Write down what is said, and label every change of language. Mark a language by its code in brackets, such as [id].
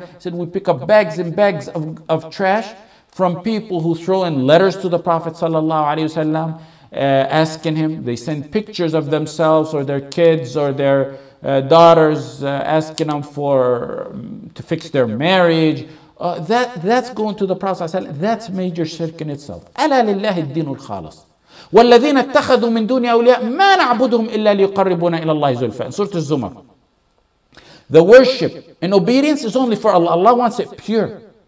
[en] He said, we pick up bags and bags of trash from people who throw in letters to the Prophet sallallahu alaihi wasallam, asking him. They send pictures of themselves or their kids or their daughters, asking them to fix their marriage. That's going to the Prophet. That's major shirk in itself. [ar] أَلَا لِلَّهِ الدِّينُ الْخَالِصُ والذين اتخذوا من دون أولياء ما نعبدهم إلا ليقربونا إلى الله زلفى. [en] In Surah Az-Zumar. The worship and obedience is only for Allah. Allah wants it pure.